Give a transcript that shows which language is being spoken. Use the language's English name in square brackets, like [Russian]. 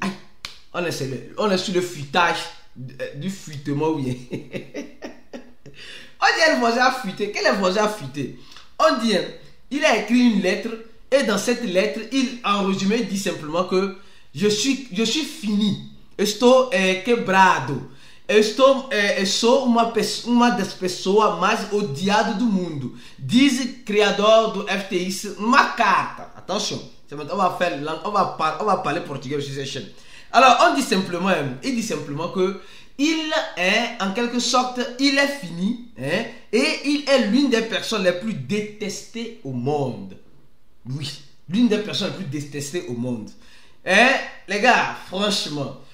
[French] Aïe, on est sur le fuitage du fuitement, oui. On dit qu'un voisin a fuité. Quel voisin a fuité? On dit qu'il a écrit une lettre et dans cette lettre, il, en résumé, dit simplement que je suis fini. [Portuguese] Estou quebrado. Estou uma das pessoas mais odiadas do mundo. Diz criador do FTX uma carta. [French] Attention, on va parler portugais sur cette chaîne. Alors, on dit simplement, il dit simplement que il est, en quelque sorte, il est fini, hein, et il est l'une des personnes les plus détestées au monde. Oui, l'une des personnes les plus détestées au monde. Hein, les gars, franchement.